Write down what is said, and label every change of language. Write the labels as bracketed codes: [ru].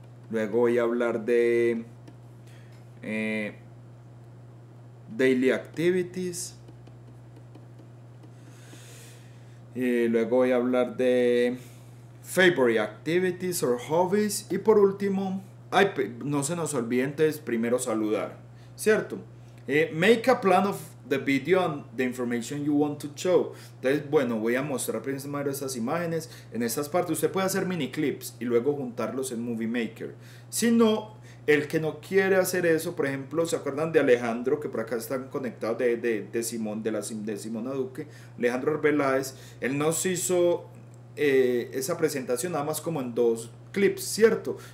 [es] Luego voy a hablar de daily activities. Y luego voy a hablar de favorite activities or hobbies. Y por último... Ay, no se nos olvide entonces primero saludar, ¿cierto? [en] Make a plan of the video and the information you want to show. [es] Entonces, bueno, voy a mostrar primero estas imágenes. En estas partes usted puede hacer mini clips y luego juntarlos en Movie Maker. Si no, el que no quiere hacer eso, por ejemplo, ¿se acuerdan de Alejandro? Que por acá están conectados de Simona Duque. Alejandro Arbeláez, él nos hizo esa presentación nada más como en dos clips, ¿cierto?